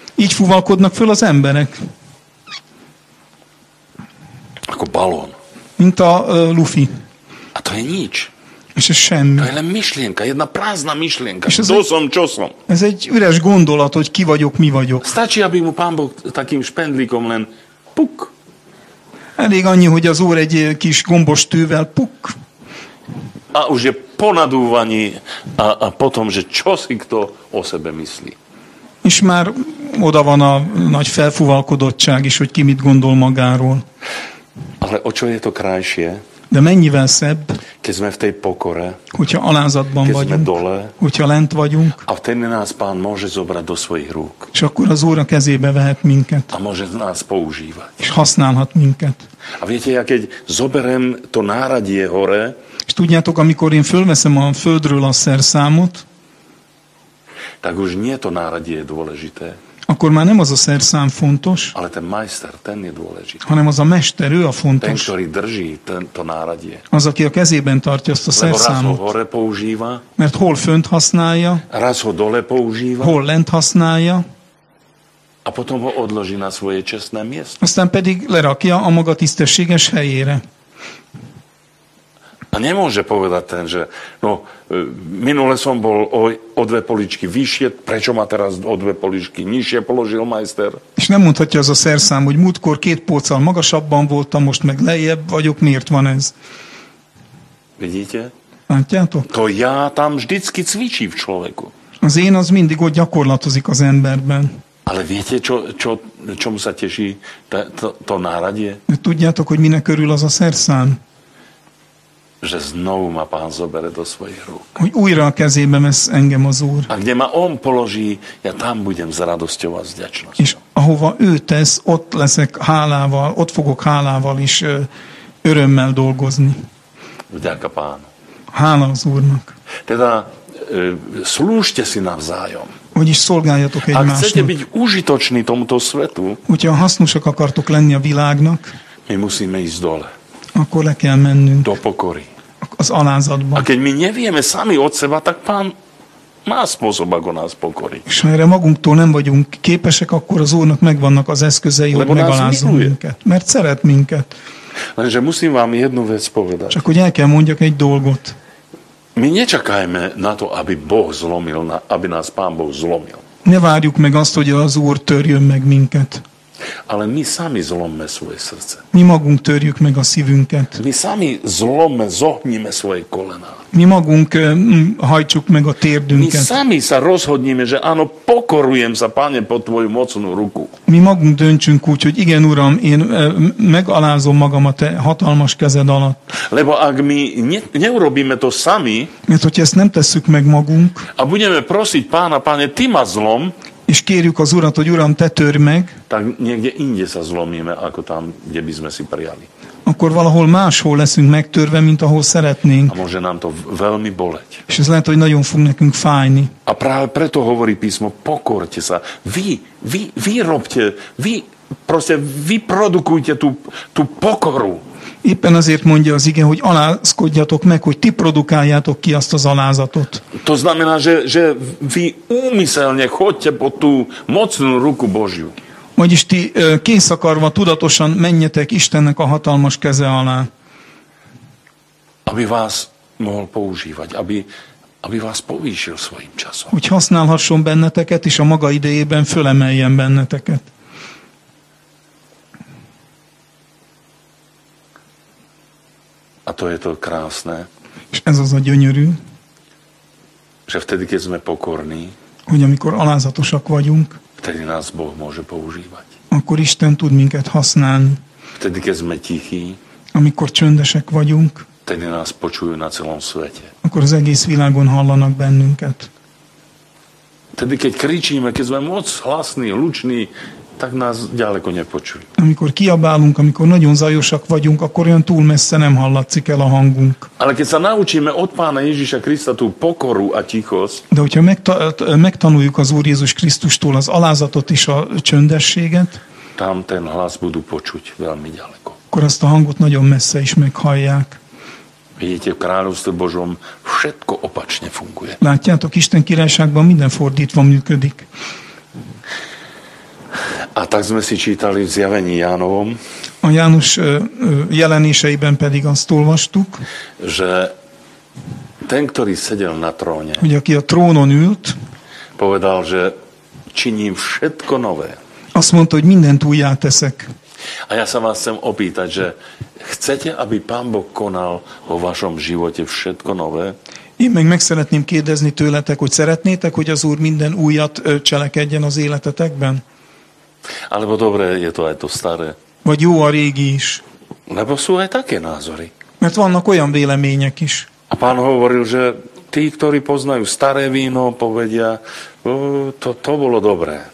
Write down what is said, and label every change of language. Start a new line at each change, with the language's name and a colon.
Hungarian: Így fuvalkodnak föl az emberek.
Slovak: Ako balón.
Hungarian: mint a Luffy.
Slovak: A to je nič.
Hungarian: És ez semmi.
Slovak: To je len myšlienka, jedna prázdna myšlienka. Dosom, čosom.
Hungarian: Ez egy üres gondolat, hogy ki vagyok, mi vagyok.
Slovak: Stačí, aby mu pán Boh takým špendlíkom len puk.
Hungarian: Elég annyi, hogy az Úr egy kis gombos tűvel puk.
Slovak: A už je ponadúvaný a potom, že čo si kto o sebe myslí.
Hungarian: És már oda van a nagy felfúvalkodottság is, hogy ki mit gondol magáról.
Slovak: Ale o čo je to krajšie?
Hungarian: De mennyivel szebb?
Slovak: Keď sme v tej pokore.
Hungarian: Hogyha alázatban vagyunk.
Slovak: Keď sme dole.
Hungarian: Hogyha lent vagyunk.
Slovak: A vtedy nás pán môže zobrať do svojich rúk.
Hungarian: És akkor az Úr a kezébe vehet minket.
Slovak: A môže nás používať.
Hungarian: És használhat minket.
Slovak: A viete, ja keď zoberem to náradie hore.
Hungarian: És tudjátok, amikor én fölveszem a földről a szerszámot.
Slovak: Tak už nie to náradie je dôležité.
Hungarian: Akkor már nem az a szerszám fontos.
Slovak: Ale ten majster, ten je dôležitý.
Hungarian: Hanem az a mester, ő a fontos.
Slovak: Ten, ktorý drží to náradie.
Hungarian: Az, aki a kezében tartja azt a szerszámot.
Slovak: Lebo raz ho hore používa.
Hungarian: Mert hol fönt használja.
Slovak: Raz ho dole používa.
Hungarian: Hol lent használja.
Slovak: A potom ho odloží na svoje čestné miesto.
Hungarian: Aztán pedig lerakja a maga tisztességes helyére.
Slovak: A nemôže povedať ten, že no, minule som bol o dve poličky vyššie, prečo ma teraz o dve poličky nižšie položil majster?
Hungarian: És nem mondhatja az a szerszám, hogy múltkor két póccal magasabban voltam, most meg lejjebb vagyok, miért van ez?
Slovak: Vidíte?
Hungarian: Látjátok?
Slovak: To ja tam vždycky cvičí v človeku.
Hungarian: Az én az mindig ott gyakorlatozik az emberben.
Slovak: Ale viete, čomu sa teší to náradie?
Hungarian: De tudjátok, hogy minek örül az a szerszám?
Slovak: Že znovu ma pán zobere do svojich rúk.
Hungarian: Hogy újra a kezébe vesz engem az Úr.
Slovak: A kde ma on položí, ja tam budem s radosťou a vďačnosťou.
Hungarian: És ahova ő tesz, ott leszek hálával, ott fogok hálával is örömmel dolgozni.
Slovak: Vďaka pánu.
Hungarian: Hála az Úrnak.
Slovak: Teda slúžte si navzájom.
Hungarian: Vagyis szolgáljatok egymásnak.
Slovak: A chcete byť užitoční tomuto svetu.
Hungarian: Hogyha hasznosak akartok lenni a világnak.
Slovak: My musíme ísť dole.
Hungarian: Akkor le kell mennünk.
Slovak: Do pokory.
Hungarian: Az alázatban.
Slovak: A keď mi nevieme sami od seba, tak pán má spôsob, ako nás pokori.
Hungarian: És ha erre magunktól nem vagyunk képesek, akkor az Úrnak megvannak az eszközei,
Slovak: lebo
Hungarian: hogy megalázzon
Slovak: miluje.
Hungarian: Minket. Mert szeret minket.
Slovak: Lenže musím vám jednu vec povedať.
Hungarian: Csak hogy el kell mondjak egy dolgot.
Slovak: Mi nečakajme na to, aby Boh zlomil, aby nás pán Boh zlomil.
Hungarian: Ne várjuk meg azt, hogy az Úr törjön meg minket.
Slovak: Ale my sami zlomme svoje srdce.
Hungarian: Mi magunk törjük meg a szívünket.
Slovak: My sami zlomme, zohníme svoje kolená.
Hungarian: Mi magunk hajtsuk meg a térdünket.
Slovak: My sami sa rozhodníme, že áno, pokorujem sa, Pane, pod tvoju mocnú ruku.
Hungarian: Mi magunk döntsünk úgy, hogy igen, Uram, én megalázom magam a te hatalmas kezed alatt.
Slovak: Lebo ak my neurobíme to sami,
Hungarian: mert hogyha ezt nem tesszük meg magunk,
Slovak: a budeme prosiť Pána, Pane, ty ma zlom,
Hungarian: és kérjük az Urat, hogy Uram, te törj meg.
Slovak: Tak niekde inde sa zlomíme, ako tam, kde by sme si prijali.
Hungarian: Akkor valahol máshol leszünk megtörve, mint ahol szeretnénk.
Slovak: A môže nám to veľmi boleť.
Hungarian: És ez lehet, hogy nagyon fog nekünk fájni.
Slovak: A práve preto hovorí písmo, pokorte sa. Vy robte, vy proste vyprodukujte tú pokoru.
Hungarian: Éppen azért mondja az ige, hogy alázkodjatok meg, hogy ti produkáljátok ki azt az alázatot.
Slovak: To znamená, že vy úmyselne chodte pod tú mocnú ruku Božiu.
Hungarian: Vagyis ti kész akarva tudatosan menjetek Istennek a hatalmas keze alá.
Slovak: Aby vás mohol používať, aby vás povýšil svojim časom.
Hungarian: Hogy használhasson benneteket, és a maga idejében fölemeljen benneteket.
Slovak: A to je to krásne.
Hungarian: És ez az a gyönyörű.
Slovak: Že vtedy, keď sme pokorní,
Hungarian: hogy amikor alázatosak vagyunk,
Slovak: vtedy nás Boh môže používať.
Hungarian: Akkor Isten tud minket használni.
Slovak: Vtedy, keď sme tichí,
Hungarian: amikor csöndesek vagyunk,
Slovak: vtedy nás počujú na celom svete.
Hungarian: Akkor az egész világon hallanak bennünket.
Slovak: Vtedy, keď kričíme, keď sme moc hlasní, luční, tak nás ďaleko nepočuj.
Hungarian: Amikor kiabálunk, amikor nagyon zajosak vagyunk, akkor olyan túl messze nem hallatszik el a hangunk.
Slovak: Ale keď sa naučíme od Pána Ježíša Krista tú pokoru a tichosť.
Hungarian: De hogyha megtanuljuk az Úr Jézus Krisztustól az alázatot és a csöndességet,
Slovak: tam ten hlas budú počuť veľmi ďaleko.
Hungarian: Akkor azt a hangot nagyon messze is meghallják.
Slovak: Vidíte, v kráľovstve Božom všetko opačne funguje.
Hungarian: Látjátok, Isten királyságban minden fordítva működik.
Slovak: A tak sme si čítali v zjavení Jánovom.
Hungarian: A János jeleniseiben pedig azt olvastuk,
Slovak: že ten, ktorý sedel na tróne,
Hungarian: hogy aki a trónon ült,
Slovak: povedal, že činím všetko nové.
Hungarian: Azt mondta, hogy mindent újjá teszek.
Slovak: A ja sa vás chcem opýtať, že chcete, aby Pán Boh konal vo vašom živote všetko nové?
Hungarian: Én meg szeretném kérdezni tőletek, hogy szeretnétek, hogy az Úr minden újat cselekedjen az életetekben?
Slovak: Alebo dobre je to aj to staré.
Hungarian: Vagy jó a régi is.
Slovak: Lebo sú aj také názory.
Hungarian: Mert vannak olyan vélemények is.
Slovak: A Pán hovoril, že tí, ktorí poznajú staré víno, povedia, to bolo dobré.